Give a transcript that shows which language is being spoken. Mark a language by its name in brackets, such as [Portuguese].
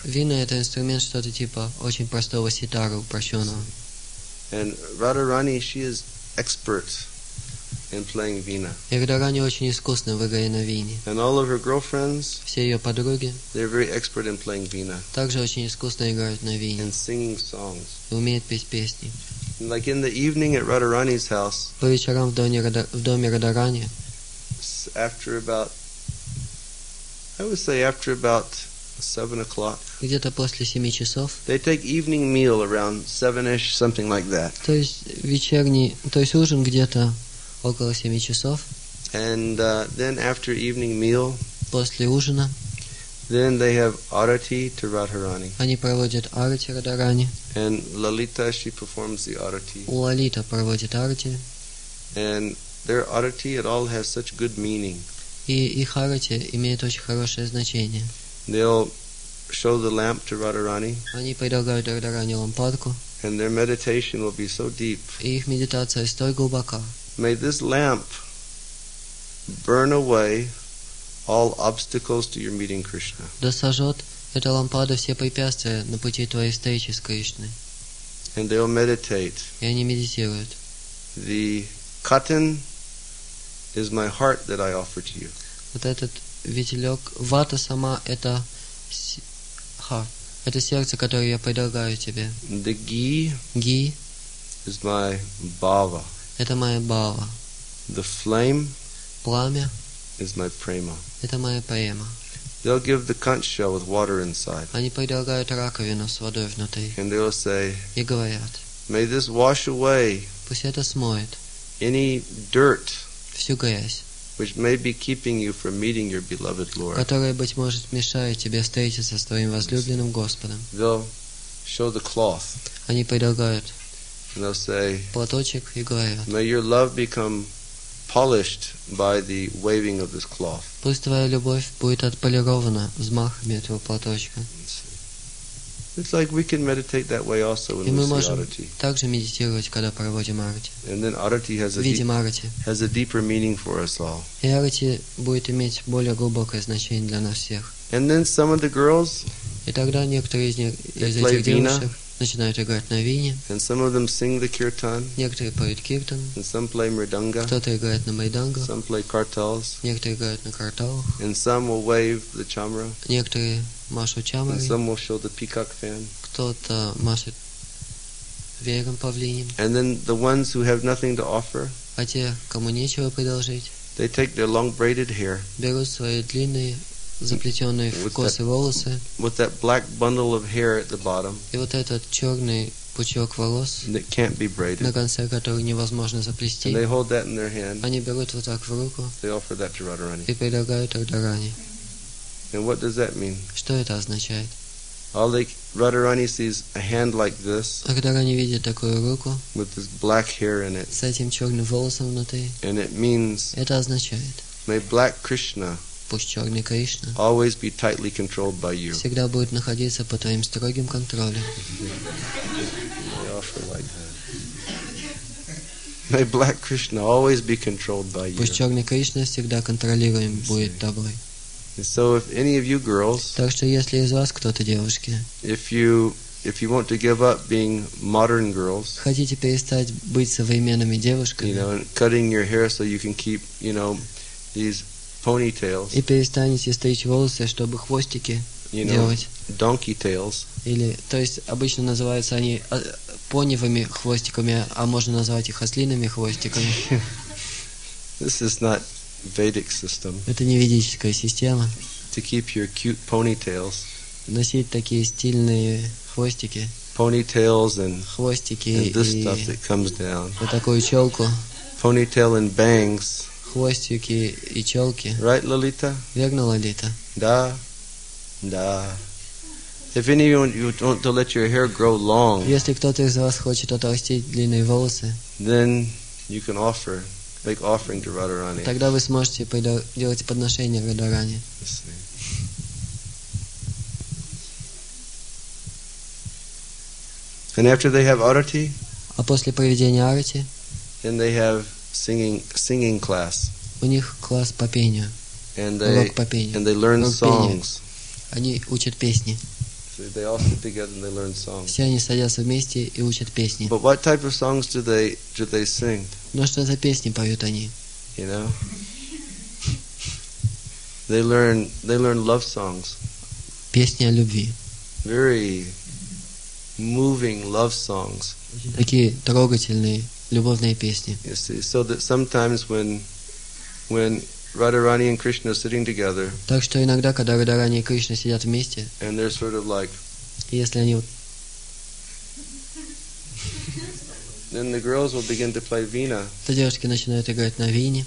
[Russian] Вина – это инструмент что-то типа очень простого ситара, упрощенного. [English] And Radharani, she is expert. In playing vina. [Russian] И Радхарани очень искусна в игре на вине. [English] And all of her girlfriends. [Russian] Все ее подруги. [English] They're very expert in playing vina. [Russian] Также очень искусно играют на вине. [English] And singing songs. [Russian] И умеют петь песни. [English] And like in the evening at Radharani's house. [Russian] По вечерам в доме Радхарани. [English] After about, I would say after about 7 o'clock. [Russian] Где-то после 7 часов. [English] They take evening meal around 7-ish, something like that. [Russian] То есть вечерний, то есть ужин где-то. Около 7 часов. [English] And then after evening meal, [Russian] после ужина, [English] then they have arati to Radharani. [Russian] Они проводят арати Радхарани. [English] And Lalita, she performs the arati. [Russian] Лалита проводит арати. [English] And their arati, it all has such good meaning. [Russian] И их арати имеет очень хорошее значение. [English] They'll show the lamp to Radharani. [Russian] Они предлагают Радхарани лампадку. [English] And their meditation will be so deep. [Russian] Их медитация столь глубока. [English] May this lamp burn away all obstacles to your meeting Krishna. [Russian] Да сожжет эта лампада все препятствия на пути твоей встречи с Кришной. [English] And they will meditate. [Russian] И они медитируют. [English] The cotton is my heart that I offer to you. [Russian] Вот этот ветелек, вата сама это Это сердце, которое я предлагаю тебе. [English] The ghee, [Russian] ghee [English] is my bhava. [Russian] Это моя бхава. [English] The flame, [Russian] пламя [English] is my prema. [Russian] Это моя према. [English] They'll give the conch shell with water inside. [Russian] Они предлагают раковину с водой внутри. [English] And they'll say, [Russian] и говорят, [English] may this wash away, [Russian] пусть это смоет, [English] any dirt, [Russian] всю грязь, [English] which may be keeping you from meeting your beloved Lord. [Russian] Которая, быть может, мешает тебе встретиться с твоим возлюбленным Господом. [English] They'll show the cloth. [Russian] Они предлагают платочек и говорят, [English] may your love become polished by the waving of this cloth. [Russian] Пусть твоя любовь будет отполирована взмахами этого платочка. [English] It's like we can meditate that way also when we see arati. [Russian] Также медитировать, когда проводим арати. [English] And then arati has a deeper meaning for us all. [Russian] И арати будет иметь более глубокое значение для нас всех. [English] And then some of the girls. [Russian] И тогда некоторые из них из этих девушек начинают играть на вине. [English] And some of them sing the kirtan. [Russian] Некоторые поют киртан. [English] And some play mridanga. [Russian] Кто-то играет на майданга. [English] Some play kartals. [Russian] Некоторые играют на карталах. [English] And some will wave the chamra. [Russian] Некоторые машут чамрой. [English] And some will show the peacock fan. [Russian] Кто-то машет веером павлиньим. [English] And then the ones who have nothing to offer. [Russian] А те, кому нечего предложить. [English] They take their long braided hair. [Russian] Берут свои длинные заплетенные в косы волосы. [English] With that black bundle of hair at the bottom. [Russian] И вот этот черный пучок волос. [English] That can't be braided. [Russian] На конце которого невозможно заплести. [English] And they hold that in their hand. [Russian] Они берут вот так в руку. [English] They offer that to Radharani. [Russian] И предлагают Радхарани. [English] And what does that mean? [Russian] Что это означает? [English] All the Radharani sees a hand like this. [Russian] Радхарани видит такую руку. [English] With this black hair in it. [Russian] С этим черным волосом внутри. [English] And it means. [Russian] Это означает. [English] May black Krishna. [Russian] Пусть черный Кришна. [English] Always be tightly controlled by you. [Russian] Всегда будет находиться под твоим строгим контролем. [English] They offer like that. May black Krishna always be controlled by you. [Russian] Пусть черный Кришна всегда контролируем будет тобой. [English] So if any of you girls, [Russian] так что если из вас кто-то девушки, [English] if you want to give up being modern girls, [Russian] хотите перестать быть современными девушками, [English] you know, cutting your hair so you can keep, you know, these ponytails, [Russian] и перестанете стричь волосы, чтобы хвостики, [English] you know, [Russian] делать, [English] donkey tails, [Russian] или, то есть обычно называются они поневыми хвостиками, а можно назвать их ослиными хвостиками. [English] This is not Vedic system. [Russian] Это не ведическая система. [English] To keep your cute ponytails. [Russian] Носить такие стильные хвостики. [English] Ponytails and [Russian] хвостики [English] and this stuff that comes down. [Russian] Вот такую челку. [English] Ponytail and bangs. [Russian] Хвостики и челки. [English] Right, Lalita? [Russian] Верно, Лолита? Да. Да. [English] If anyone you want to let your hair grow long. [Russian] Если кто-то из вас хочет отрастить длинные волосы. [English] Then you can offer. Make offering to Radharani. [Russian] Тогда вы сможете делать подношение Радхарани. [English] And after they have arati, [Russian] а после проведения арати, [English] then they have singing class. [Russian] У них класс по пению. [English] And they learn songs. [Russian] Они учат песни. [English] They all sit together and they learn songs. [Russian] Все они садятся вместе и учат песни. [English] But what type of songs do they sing? [Russian] Но что за песни поют они? [English] You know? They learn love songs. [Russian] Песни о любви. [English] Very moving love songs. [Russian] Такие трогательные любовные песни. [English] You see, so that sometimes when Radharani and Krishna are sitting together. [Russian] Так что иногда, когда Радхарани и Кришна сидят вместе, [English] and they're sort of like, [Russian] если они, [English] then the girls will begin to play vina. [Russian] То девушки начинают играть на вине.